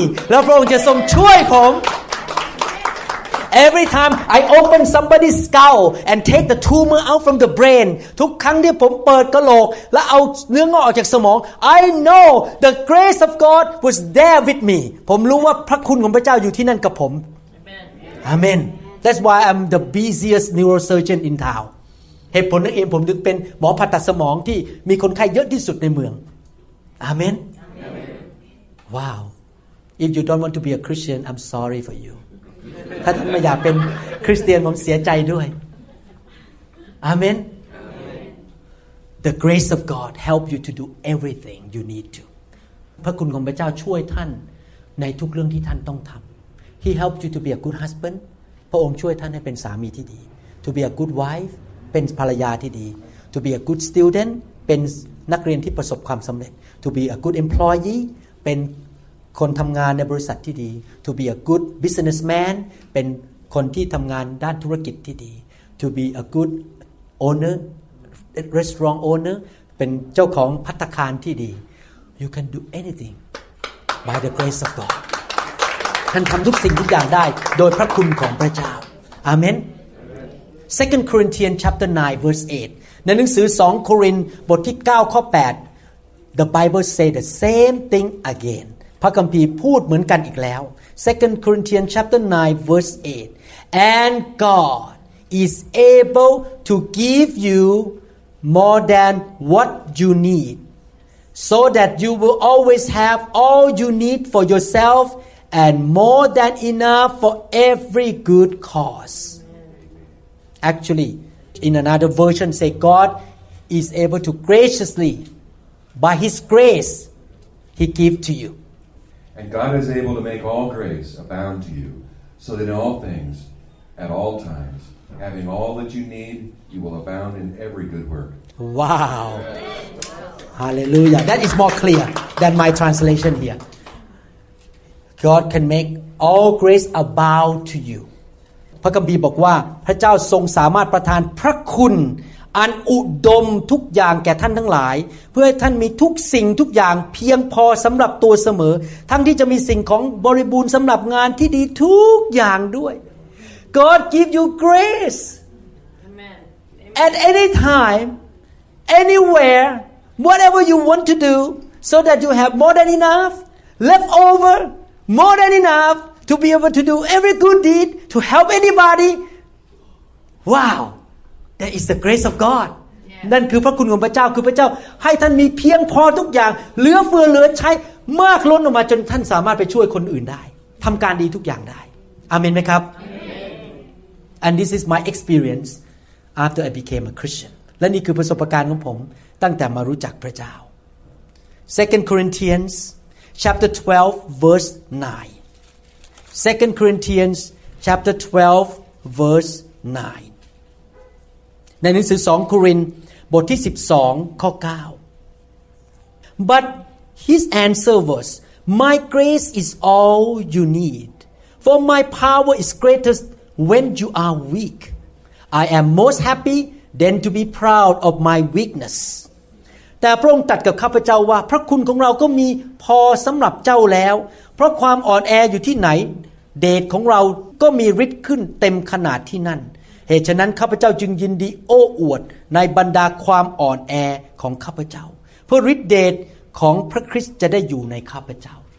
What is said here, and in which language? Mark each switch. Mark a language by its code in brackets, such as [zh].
[th] แล้วพระองค์จะทรงช่วยผม [en] Every time I open somebody's skull and take the tumor out from the brain, [th] ทุกครั้งที่ผมเปิดกะโหลกและเอาเนื้องอกออกจากสมอง [en] I know the grace of God was there with me. [th] ผมรู้ว่าพระคุณของพระเจ้าอยู่ที่นั่นกับผม Amen. [en] That's why I'm the busiest neurosurgeon in town. [th] เหตุผลนั่นเองผมถึงเป็นหมอผ่าตัดสมองที่มีคนไข้เยอะที่สุดในเมือง Amen. [en] Wow. If you don't want to be a Christian, I'm sorry for you. [th] ถ้าท่านไม่อยากเป็นคริสเตียนผมเสียใจด้วยอาเมน [en] The grace of God help you to do everything you need to [th] พระคุณของพระเจ้าช่วยท่านในทุกเรื่องที่ท่านต้องทำ [en] He help you to be a good husband [th] พระองค์ช่วยท่านให้เป็นสามีที่ดี [en] To be a good wife [th] เป็นภรรยาที่ดี [en] To be a good student [th] เป็นนักเรียนที่ประสบความสำเร็จ [en] To be a good employee เป็น [th] คนทำงานในบริษัทที่ดี [en] to be a good businessman [th] เป็นคนที่ทำงานด้านธุรกิจที่ดี [en] to be a good owner restaurant owner [th] เป็นเจ้าของภัตตาคารที่ดี [en] you can do anything by the grace of God [th] ท่านทำทุกสิ่งทุกอย่างได้โดยพระคุณของพระเจ้า amen [en] 2 Corinthians chapter 9 verse 8 [th] ในหนังสือ2โครินธ์บทที่9ข้อ8 [en] The Bible say the same thing again [th] พระคัมภีร์พูดเหมือนกันอีกแล้ว [en] 2 Corinthians chapter 9 verse 8 And God is able to give you more than what you need so that you will always have all you need for yourselfAnd more than enough for every good cause. Actually, in another version, say God is able to graciously, by His grace, He give to you. And God is able to make all grace abound to you, so that in all things, at all times, having all that you need, you will abound in every good work. Wow. Hallelujah. That is more clear than my translation here. God can make all grace abound to you. [th] พระคัมภีร์บอกว่าพระเจ้าทรงสามารถประทานพระคุณอันอุดมทุกอย่างแก่ท่านทั้งหลายเพื่อให้ท่านมีทุกสิ่งทุกอย่างเพียงพอสำหรับตัวเสมอทั้งที่จะมีสิ่งของบริบูรณ์สำหรับงานที่ดีทุกอย่างด้วย [en] God give you grace. Amen. At any time, anywhere, whatever you want to do, so that you have more than enough left over. More than enough to be able to do every good deed to help anybody. Wow, that is the grace of God. [th] นั่นคือพระคุณของพระเจ้าคือพระเจ้าให้ท่านมีเพียงพอทุกอย่างเหลือเฟือเหลือใช้มากล้นออกมาจนท่านสามารถไปช่วยคนอื่นได้ทำการดีทุกอย่างได้อเมนไหมครับ [en] And this is my experience after I became a Christian. [th] และนี่คือประสบการณ์ของผมตั้งแต่มารู้จักพระเจ้า Second Corinthians. [en] Chapter 12, verse 9. 2 Corinthians, chapter 12, verse 9. [th] ในหนังสือ2โครินธ์บทที่12ข้อ9 [en] But his answer was, My grace is all you need. For my power is greatest when you are weak. I am most happy than to be proud of my weakness. [th] แต่พระองค์ตรัสกับข้าพเจ้าว่าพระคุณของเราก็มีพอสำหรับเจ้าแล้วเพราะความอ่อนแออยู่ที่ไหนเดชของเราก็มีฤทธิ์ขึ้นเต็มขนาดที่นั่นเหตุฉะนั้นข้าพเจ้าจึงยินดีโอ้อวดในบรรดาความอ่อนแอของข้าพเจ้าเพื่อฤทธิ์เดชของพระคริสต์จะได้อยู่ในข้าพเจ้า